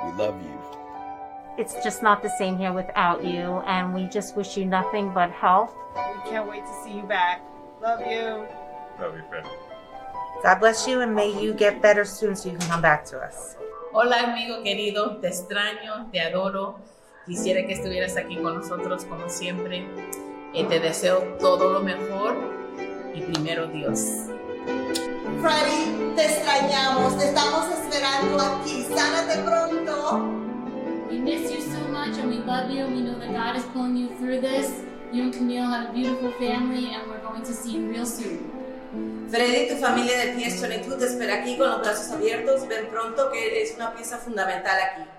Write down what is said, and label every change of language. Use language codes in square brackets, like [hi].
[en] We love you. It's just not the same here without you, and we just wish you nothing but health. We can't wait to see you back. Love you. Love you, Freddie. God bless you, and may you get better soon so you can come back to us. [es] Hola, amigo querido. Te extraño, te adoro. Quisiera que estuvieras aquí con nosotros como siempre. Y te deseo todo lo mejor y primero Dios. Freddy, te extrañamos. Te estamos esperando aquí. Sánate pronto. [en] We miss you so much, and we love you. We know that God is pulling you through this. You and Camille have a beautiful family, and we're going to see you real soon. [es] Freddy, tu familia de PS22 te espera aquí con los brazos abiertos. Ven pronto, que eres una pieza fundamental aquí.